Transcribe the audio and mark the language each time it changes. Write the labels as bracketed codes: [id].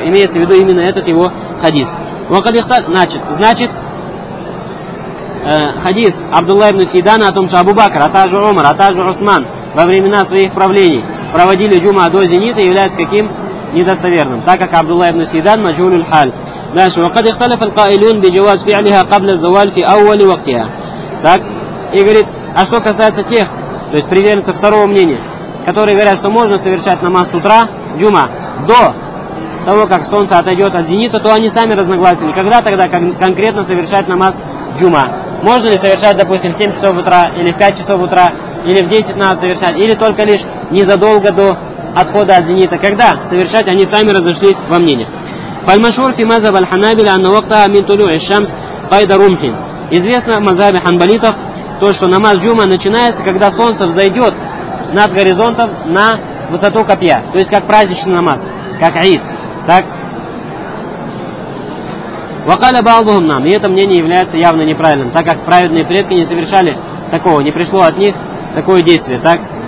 [ru] Имеется в виду именно этот его хадис. Значит, хадис Абдулла ибн Сиидана о том, что Абу Бакр, а также Умар, а также Усман во времена своих правлений проводили джума до зенита, является каким? Недостоверным, так как Абдулла ибн Сиидан маджуль аль-халь. Дальше. [ar] وقد اختلف القائلون بجواز فعلها قبل الزوال في أول وقتها. [ru] Так. И говорит, а что касается тех, то есть приверженцев второго мнения, которые говорят, что можно совершать намаз с утра, джума, до того, как солнце отойдет от зенита, то они сами разногласили. Когда тогда конкретно совершать намаз джума? Можно ли совершать, допустим, в 7 часов утра, или в 5 часов утра, или в 10 надо совершать, или только лишь незадолго до отхода от зенита? Когда совершать, они сами разошлись во мнениях. [ar] فالمشهور في مذهب الحنابلة أن وقتها من طلوع الشمس قيد رمح. [ru] Известно в мазхабе ханбалитов то, что намаз джума начинается, когда солнце взойдет над горизонтом на высоту копья, то есть как праздничный намаз, как عيد. Так. [ar] وقال بعضهم نعم. [ru] И это мнение является явно неправильным, так как праведные предки не совершали такого, не пришло от них такое действие, так?